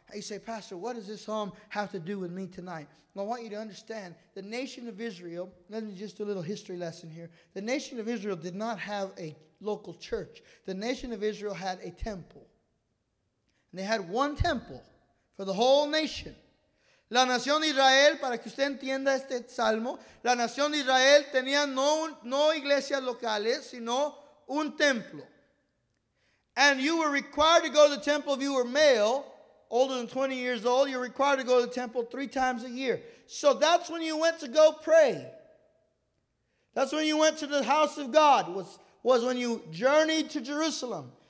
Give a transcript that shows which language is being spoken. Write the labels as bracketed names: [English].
[English] You say, Pastor, what does this psalm have to do with me tonight? Well, I want you to understand, the nation of Israel, let me just do a little history lesson here. The nation of Israel did not have a local church. The nation of Israel had a temple. And they had one temple for the whole nation. [Spanish] La nación de Israel, para que usted entienda este salmo, la nación de Israel tenía no iglesias locales, sino un templo. [English] And you were required to go to the temple if you were male, older than 20 years old. You're required to go to the temple 3 times a year. So that's when you went to go pray. That's when you went to the house of God, was when you journeyed to Jerusalem.